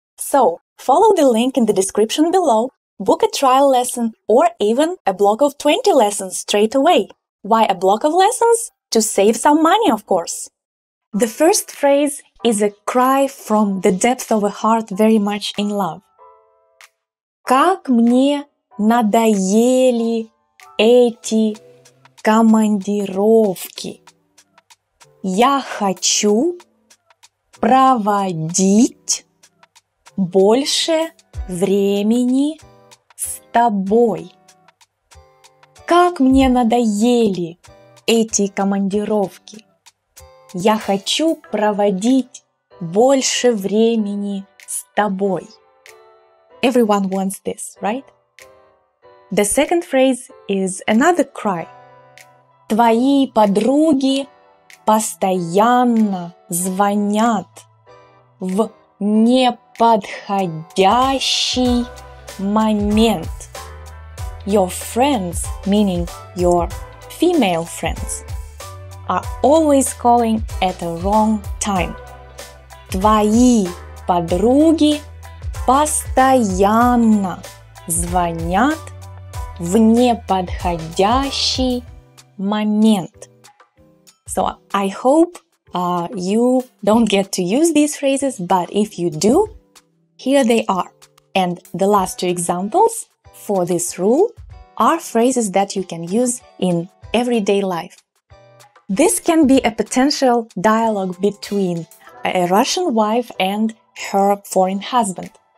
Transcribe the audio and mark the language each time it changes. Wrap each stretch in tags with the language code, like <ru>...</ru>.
<en>So, follow the link in the description below, book a trial lesson or even a block of 20 lessons straight away. Why a block of lessons? To save some money, of course. The first phrase is a cry from the depth of a heart very much in love.</en> <ru>Как мне надоели эти командировки. Я хочу проводить больше времени с тобой. Как мне надоели эти командировки. Я хочу проводить больше времени с тобой.</ru> <en>Everyone wants this, right? The second phrase is another cry.</en> <ru>Твои подруги постоянно звонят в неподходящий момент.</ru> <en>Your friends, meaning your female friends, are always calling at the wrong time.</en> <ru>Твои подруги постоянно звонят в неподходящий момент.</ru> <en>So I hope you don't get to use these phrases, but if you do, here they are. And the last two examples for this rule are phrases that you can use in everyday life. This can be a potential dialogue between a Russian wife and her foreign husband.</en>